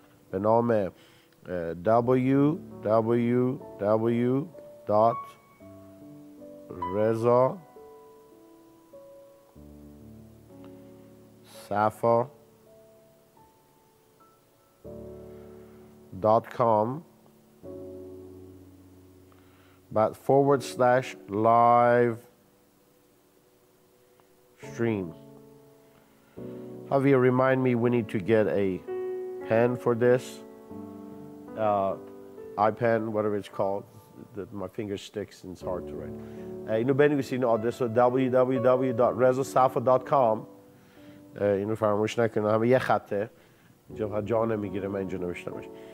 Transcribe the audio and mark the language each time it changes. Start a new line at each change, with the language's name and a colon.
Persian: به نام www.rezosafa.com/livestream.
English: Javier, remind me, we need to get a pen for this. iPen, whatever it's called. My finger sticks and it's hard to write.
Persian: اینو بنویسید، آدرس رو www.rezosafa.com. اینو فراموش نکنید، همه یه خطه. اینجا فقط جا نمیگیره، من اینجا نوشتمش.